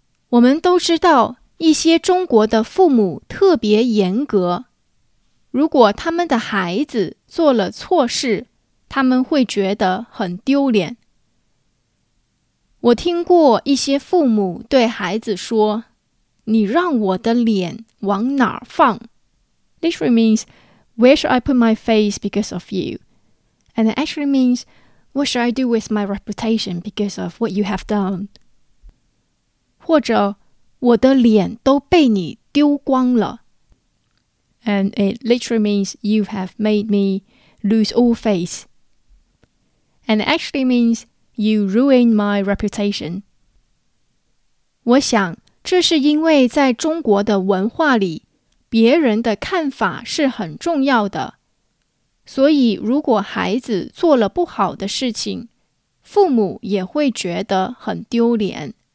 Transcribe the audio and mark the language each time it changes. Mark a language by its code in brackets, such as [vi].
[zh] 我们都知道一些中国的父母特别严格，如果他们的孩子做了错事，他们会觉得很丢脸。我听过一些父母对孩子说，你让我的脸往哪儿放？ [en] Literally means, where should I put my face because of you? And it actually means, what should I do with my reputation because of what you have done? [zh] 或者，我的脸都被你丢光了。 [en] And it literally means, you have made me lose all face. And it actually means you ruin my reputation. [zh] 我想这是因为在中国的文化里，别人的看法是很重要的。所以如果孩子做了不好的事情，父母也会觉得很丢脸。